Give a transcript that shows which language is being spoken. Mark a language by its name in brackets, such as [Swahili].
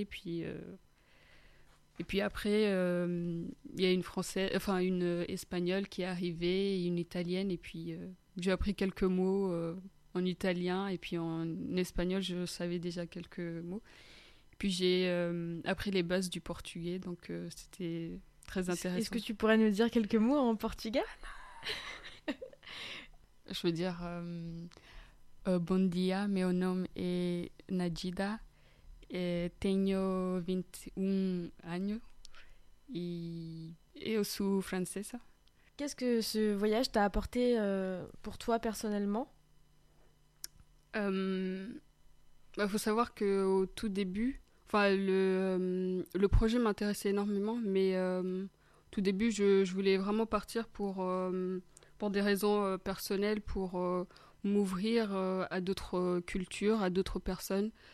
[French] Et puis après, il y a une Française, enfin une Espagnole qui est arrivée, une Italienne, et puis j'ai appris quelques mots en italien, et puis en espagnol, je savais déjà quelques mots. Et puis j'ai appris les bases du portugais, donc c'était très Est-ce que intéressant. tu pourrais nous dire quelques mots en portugais? Je veux dire, [Portuguese] bon dia, meu nome é Nadida. Tenho 21 anos e eu sou francesa. [French] Qu'est-ce que ce voyage t'a apporté pour toi personnellement? Faut savoir qu'au tout début, enfin le projet m'intéressait énormément, mais tout début, je voulais vraiment partir pour des raisons personnelles, pour m'ouvrir à d'autres cultures, à d'autres personnes.